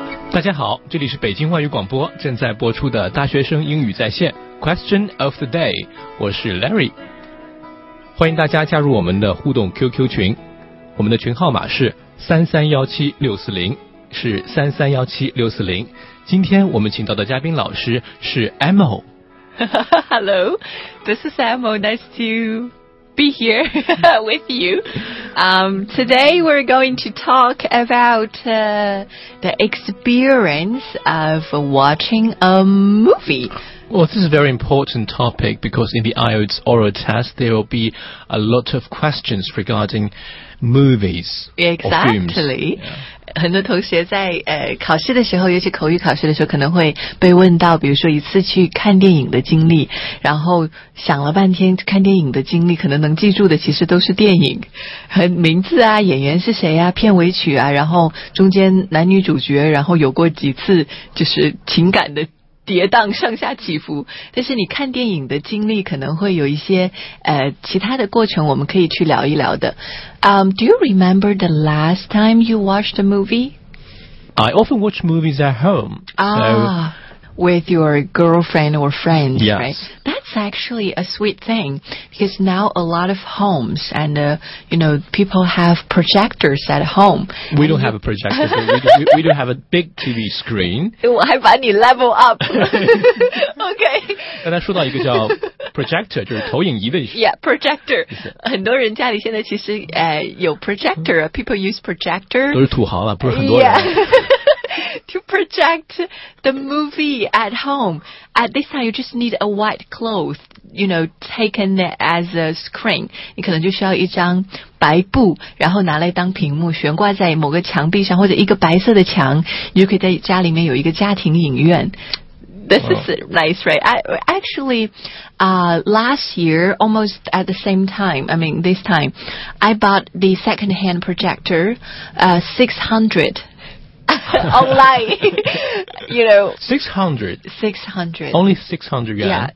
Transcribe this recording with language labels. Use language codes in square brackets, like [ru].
[zh] 大家好，这里是北京外语广播正在播出的大学生英语在线 Question of the Day， 我是 Larry， 欢迎大家加入我们的互动 QQ 群，我们的群号码是3317640，是3317640。今天我们请到的嘉宾老师是 Emo。 [en] Hello, this is Emo, nice to be here with youToday we're going to talk aboutthe experience of watching a movie. Well, this is a very important topic because in the IELTS oral test, there will be a lot of questions regarding movies. Exactly. [zh] 很多同学在考试的时候，尤其口语考试的时候，可能会被问到，比如说一次去看电影的经历，然后想了半天，看电影的经历可能能记住的其实都是电影名字啊，演员是谁啊，片尾曲啊，然后中间男女主角，然后有过几次就是情感的跌宕，上下起伏，但是你看电影的经历可能会有一些其他的过程，我们可以去聊一聊的。 [en] Do you remember the last time you watched a movie? I often watch movies at home. With your girlfriend or friends, yes. Right? That's actually a sweet thing because now a lot of homes and, you know, people have projectors at home. We don't have a projector, so we don't have a big TV screen. [zh] 我还把你 [en] level up. Okay. [zh] 刚才说到一个叫 projector, 就是投影仪的意思。 Yeah, projector. 很多人家里现在其实有 projector, [en] people use projector. [zh] 都是土豪了，不是很多人。 [en] Yeah. To project the movie at home. At this time, you just need a white cloth, you know, taken as a screen. [zh] 你可能就需要一张白布，然后拿来当屏幕，悬挂在某个墙壁上，或者一个白色的墙，你就可以在家里面有一个家庭影院。 [en] This is nice, right? Last year, almost at the same time, I mean, this time, I bought the second-hand projector, 600. online, you know. 600. Only 600 yuan.